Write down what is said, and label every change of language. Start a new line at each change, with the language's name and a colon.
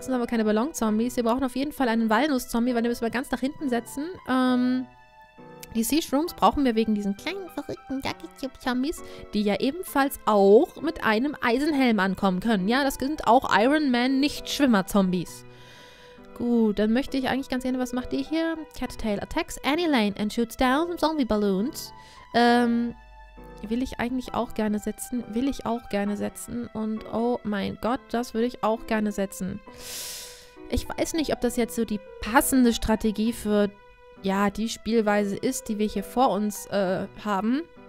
German: Wenigstens haben wir keine Ballon-Zombies. Wir brauchen auf jeden Fall einen Walnuss-Zombie, weil den müssen wir ganz nach hinten setzen. Die Sea-Shrooms brauchen wir wegen diesen kleinen, verrückten Ducky-Cube-Zombies, die ja ebenfalls auch mit einem Eisenhelm ankommen können. Ja, das sind auch Iron-Man-Nicht-Schwimmer-Zombies. Gut, dann möchte ich eigentlich ganz gerne, was macht ihr hier?
English: Cattail attacks any lane and shoots down Zombie-Balloons.
German: Will ich eigentlich auch gerne setzen? Will ich auch gerne setzen? Und oh mein Gott, das würde ich auch gerne setzen. Ich weiß nicht, ob das jetzt so die passende Strategie für... ja, die Spielweise ist, die wir hier vor uns haben.